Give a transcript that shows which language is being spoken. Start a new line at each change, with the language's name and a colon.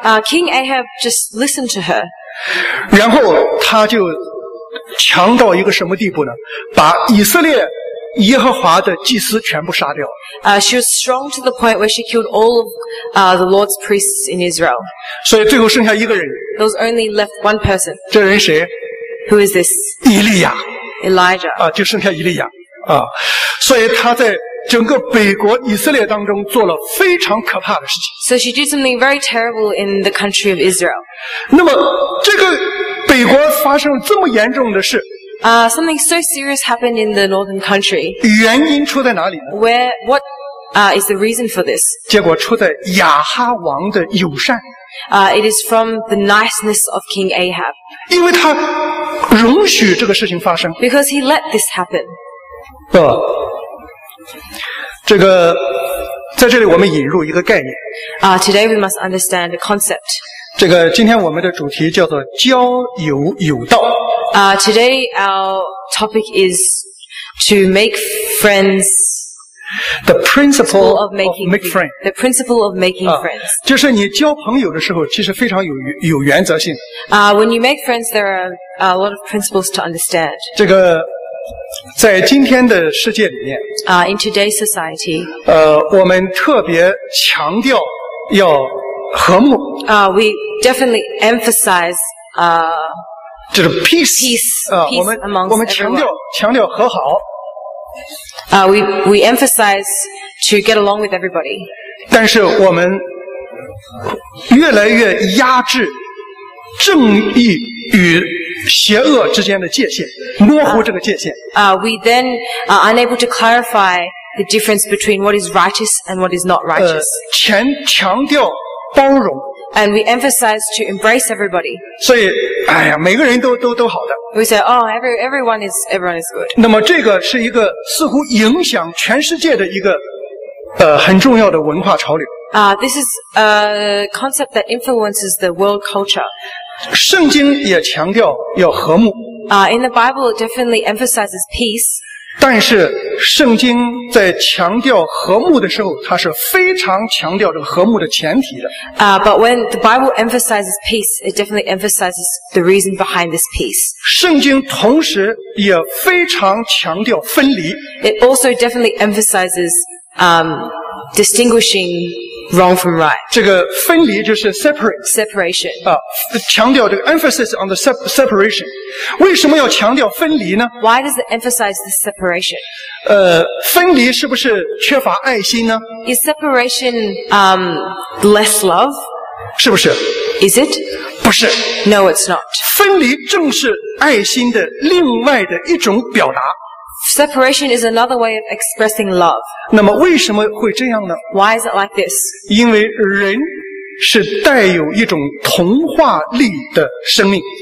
English: King Ahab just listened to her.
Chinese: 然后他就强到一个什么地步呢？把以色列耶和华的祭司全部杀掉。
English: She was strong to the point where she killed all of the Lord's priests in Israel.
Chinese: 所以最后剩下一个人。
English: There was only left one person.
Chinese: 这人谁？
English: Who is this?
Chinese: 以利亚。
English: Elijah.
Chinese: 就剩下以利亚。所以他在整个北国以色列当中做了非常可怕的事情。
English: So she did something very terrible in the country of Israel.
Chinese: 那么这个北国发生这么严重的事，
English: Something so serious happened in the northern country.
Chinese: 原因出在哪里呢？
English: What is the reason for this?
Chinese: 结果出在亚哈王的友善。
English: It is from the niceness of King Ahab.
Chinese: 因为他容许这个事情发生。
English: Because he let this happen.
Chinese: 这个在这里我们引入一个概念。
English: Today we must understand a concept.
Chinese: 这个今天我们的主题叫做交友有道。
English: Today our topic is to make friends. The principle of making friends. The principle of making friends.
Chinese: 就是你交朋友的时候，其实非常有原则性。
English: When you make friends, there are a lot of principles to understand.
Chinese: 这个在今天的世界里面。
English: In today's society.
Chinese: 我们特别强调要和睦。
English: We definitely emphasize.
Chinese: 就是 peace,
English: peace, 啊, peace
Chinese: 我们强调和好。
English: We emphasize to get along with everybody.
Chinese: 但是我们越来越压制正义与邪恶之间的界限，模糊这个界限。
English: We then are unable to clarify the difference between what is righteous and what is not righteous.
Chinese: 强调包容。
English: And we emphasize to embrace everybody.
Chinese: 所以，哎呀，每个人都好的。
English: We say, oh, everyone is good.
Chinese: 那么这个是一个似乎影响全世界的一个很重要的文化潮流。
English: This is a concept that influences the world culture.
Chinese: 圣经也强调要和睦。
English: In the Bible, it definitely emphasizes peace.
Chinese: 但是圣经在强调和睦的时候，它是非常强调这个和睦的前提的。
English: But when the Bible emphasizes peace, it definitely emphasizes the reason behind this peace.
Chinese: 圣经同时也非常强调分离。
English: It also definitely emphasizes, distinguishing wrong from right.
Chinese: 这个分离就是 separate.
English: Separation.
Chinese: 强调这个
English: emphasis on the separation.
Chinese: 为什么要强调分离呢？
English: Why does it emphasize the separation?
Chinese: 分离是不是缺乏爱心呢？
English: Is separation, less love?
Chinese: 是不是？
English: Is it?
Chinese: 不是。
English: No, it's not.
Chinese: 分离正是爱心的另外的一种表达。
English: Separation is another way of expressing love.
Chinese: 那么为什么会这样呢？
English: Why is it like this?
Chinese: 因为人是带有一种同化力的生命。